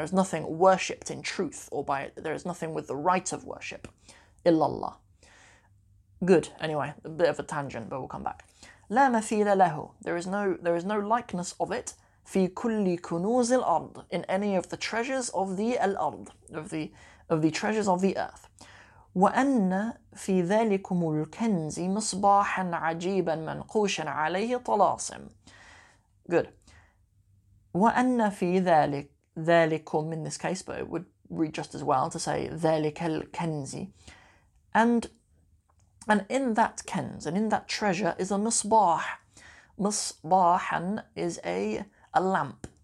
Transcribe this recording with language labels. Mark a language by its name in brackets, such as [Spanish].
[English] There is nothing worshipped in truth, or by there is nothing with the right of worship. Illallah. Good. Anyway, a bit of a tangent, but we'll come back. [Arabic] لا مثيل له. [English] There is no likeness of it. [Arabic] في كل كنوز الأرض. [English] In any of the treasures of the الأرض. Of the treasures of the earth. [Arabic] وأن في ذلكم الكنز مصباحا عجيبا منقوشا عليه طلاسم. [English] Good. [Arabic] وأن في ذلكم, [English] in this case, but it would read just as well to say [Arabic] ذلك الكنز. [English] And in that kenz, and in that treasure, is a misbah. Misbahan is a lamp.